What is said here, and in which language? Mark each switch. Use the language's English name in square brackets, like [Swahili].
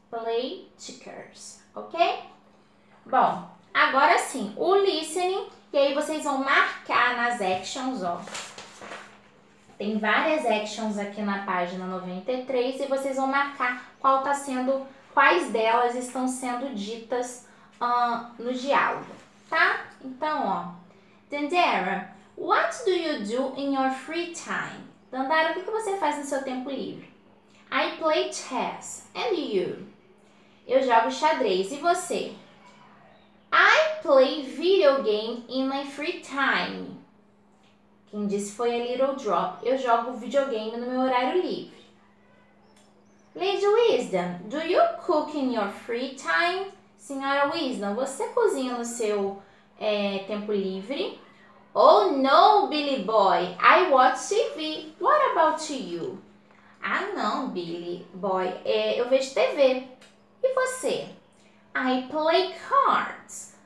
[English] Play checkers. Ok? [Portuguese] Bom, agora sim, o listening E aí vocês vão marcar nas actions, ó. Tem várias actions aqui na página 93 e vocês vão marcar qual tá sendo, quais delas estão sendo ditas no diálogo, tá? Então, ó. [English] Dandara, what do you do in your free time? [Portuguese] Dandara, o que você faz no seu tempo livre? [English] I play chess. And you? [Portuguese] Eu jogo xadrez. E você? [English] I play video game in my free time. [Portuguese] Quem disse foi a Little Drop. Eu jogo videogame no meu horário livre. [English] Lady Wisdom, do you cook in your free time? [Portuguese] Senhora Wisdom, você cozinha no seu tempo livre? [English] Oh no, Billy Boy, I watch TV. What about you? [Portuguese] Ah não, Billy Boy, eu vejo TV. E você? [English] I play cards.